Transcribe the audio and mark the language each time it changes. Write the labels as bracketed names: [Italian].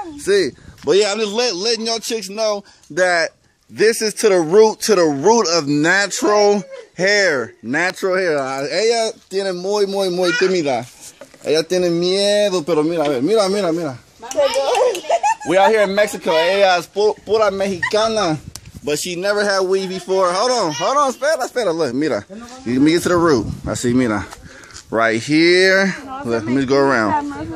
[English] Sí, but yeah, I'm just letting y'all chicks know that this is to the root of natural hair. Natural hair. [Spanish] Ella tiene muy, muy, muy tímida. Ella tiene miedo, pero mira, a ver, mira, mira, mira. [English] We out here in Mexico, [Spanish] ella es pura mexicana, [English] but she never had weave before. Hold on, espera, look, mira, let me get to the root. I see, mira, right here, look, let me go around.